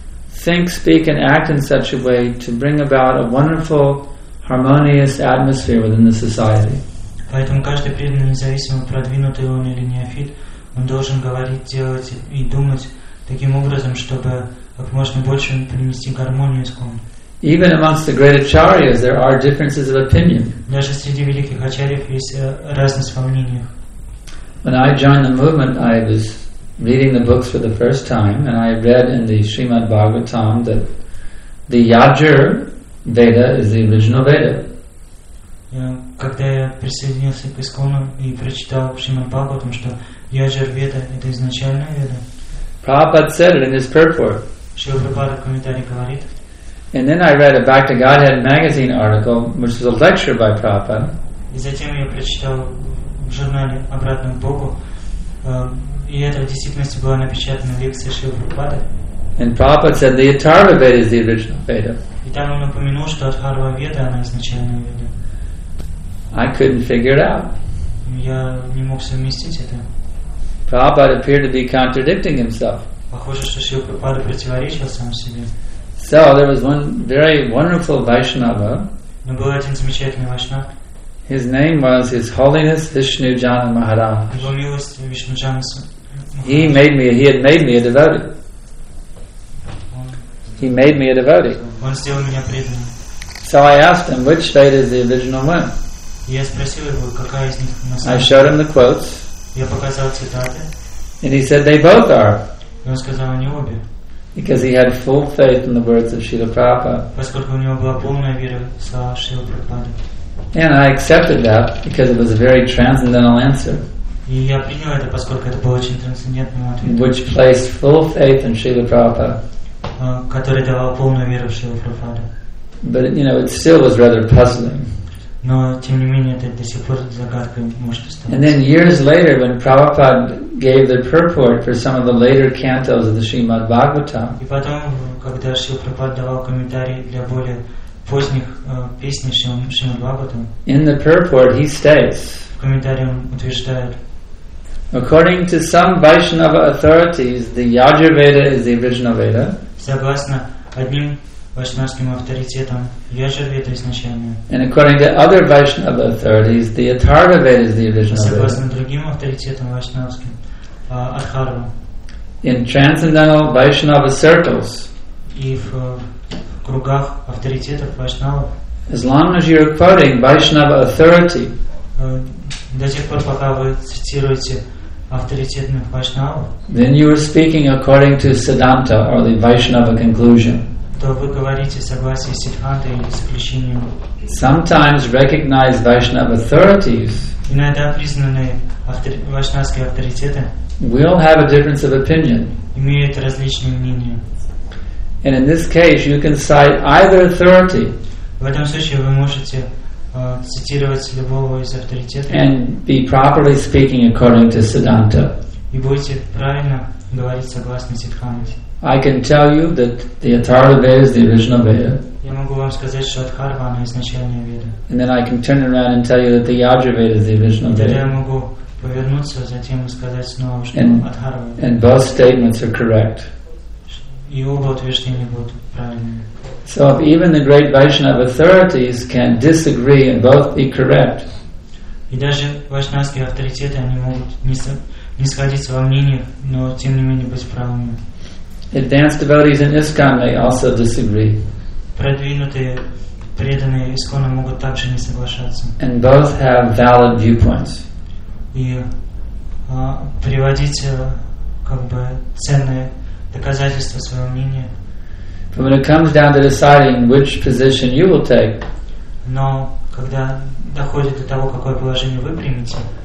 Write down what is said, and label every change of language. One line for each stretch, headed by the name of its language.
English: think, speak, and act in such a way to bring about a wonderful, harmonious atmosphere within the society.
Russian: Поэтому каждый преданный, независимо продвинутый он или неофит, он должен говорить, делать и думать таким образом, чтобы как можно больше принести гармонию искон.
English: Even amongst the great acharyas, there are differences of opinion.
Russian: Даже среди великих ачарьев есть разность во мнениях.
English: When I joined the movement, I was reading the books for the first time, and I read in the Srimad Bhagavatam that the Yajur Veda is the original Veda.
Russian: Когда я присоединился к искону и прочитал Шримад Бхагаватам, что Яджар Веда это изначальная Веда.
English: Prabhupada said it in his purport.
Russian: Шрила Прабхупада в комментарии говорит.
English: And then I read a Back to Godhead magazine article, which was a lecture by Prabhupada.
Russian: И затем я прочитал в журнале «Обратно к Богу», и это в действительности была напечатана лекция Шрила Прабхупады.
English: And Prabhupada said the Atharva Veda is the original Veda.
Russian: И там он упомянул, что Атхарва Веда она изначальная Веда.
English: I couldn't figure it out.
Russian: Я не мог совместить это.
English: Prabhupada appeared to be contradicting himself.
Russian: Похоже, что Шрила Прабхупада противоречил сам себе.
English: So there was one very wonderful Vaishnava.
Russian: Но был один замечательный Вайшнав.
English: His name was His Holiness Vishnu Jana Maharaj.
Russian: Его милость Вишну Джана
English: Махарадж. He had made me a devotee. He made me a devotee.
Russian: Он сделал меня преданным.
English: So I asked him, which Veda is the original one?
Russian: Я спросил его, какая из них на самом деле.
English: I showed him the quotes.
Russian: Я показал цитаты.
English: And he said they both are.
Russian: И он сказал, они обе.
English: Because he had full faith in the words of Srila Prabhupada.
Russian: Поскольку у него была полная вера в слова Шрилы Прабхупады.
English: And I accepted that because it was a very transcendental answer.
Russian: И я принял это, поскольку это был очень трансцендентный ответ.
English: Which placed full faith in Srila Prabhupada.
Russian: Который давал полную веру в Шрилу Прабхупаду.
English: But you know, it still was rather puzzling.
Russian: Но тем не менее это до сих пор загадкой может оставаться.
English: And then years later, when Prabhupada gave the purport for some of the later cantos of the Srimad Bhagavatam.
Russian: И потом, когда Шрила Прабхупада давал комментарии для более поздних песней Шримад Бхагаватам.
English: In the purport, he states.
Russian: В комментарии он утверждает.
English: According to some Vaishnava authorities, the Yajur Veda is the original Veda.
Russian: Согласно одним вайшнавским авторитетам, Яджур Веда изначальная.
English: And according to other Vaishnava authorities, the Atharva Veda is the original Veda.
Russian: Согласно другим авторитетам вайшнавским, Атхарва.
English: In transcendental Vaishnava circles.
Russian: И в кругах авторитетов вайшнавов.
English: As long as you're quoting Vaishnava authority.
Russian: До тех пор, пока вы цитируете авторитетных вайшнавов.
English: Then you are speaking according to Siddhanta or the Vaishnava conclusion.
Russian: То вы говорите согласие Сиддханты или заключение.
English: Sometimes recognized Vaishnava authorities.
Russian: Иногда признанные вайшнавские авторитеты.
English: Will have a difference of opinion.
Russian: Имеют различные мнения.
English: And in this case, you can cite either authority.
Russian: В этом случае вы можете цитировать любого из авторитетов.
English: And be properly speaking according to Siddhanta.
Russian: И будете правильно говорить согласно Сиддханте.
English: I can tell you that the Atharva Veda is the original Veda.
Russian: Я могу вам сказать, что Атхарва она изначальная Веда.
English: And then I can turn around and tell you that the Yajur Veda is the original Veda.
Russian: Я могу повернуться, затем сказать снова, что Атхарва.
English: And both statements are correct.
Russian: И оба утверждения будут правильными.
English: So if even the great Vaishnava authorities can disagree and both be correct.
Russian: И даже вайшнавские авторитеты они могут не сходиться во мнениях, но тем не менее быть правыми.
English: Advanced devotees in ISKCON may also disagree.
Russian: Продвинутые преданные ИСККОНа могут также не соглашаться.
English: And both have valid viewpoints.
Russian: И приводить как бы ценные доказательства своего мнения.
English: But when it comes down to deciding which position you will take,
Russian: но когда доходит до того, какое положение вы примете,